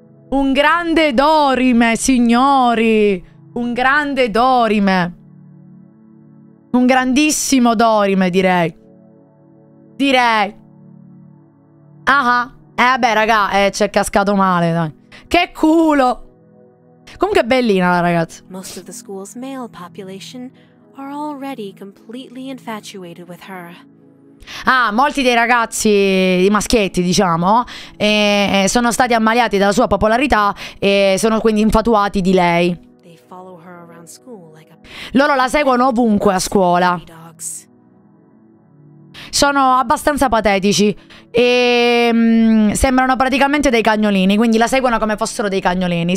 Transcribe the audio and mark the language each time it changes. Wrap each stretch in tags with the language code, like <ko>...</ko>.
<it>Un grande Dorime, signori. Un grande Dorime. Un grandissimo Dorime, direi. Direi. Ah, vabbè, raga, ci è cascato male, dai. Che culo! Comunque è bellina la ragazza.</it> <en>Most of the school's male population are already completely infatuated with her.</en> <it>Ah, molti dei ragazzi, i maschietti, diciamo, sono stati ammaliati dalla sua popolarità e sono quindi infatuati di lei.</it> <en>They follow her around school like a...</en> <it>Loro la seguono ovunque a scuola. Sono abbastanza patetici e sembrano praticamente dei cagnolini, quindi la seguono come fossero dei cagnolini.</it>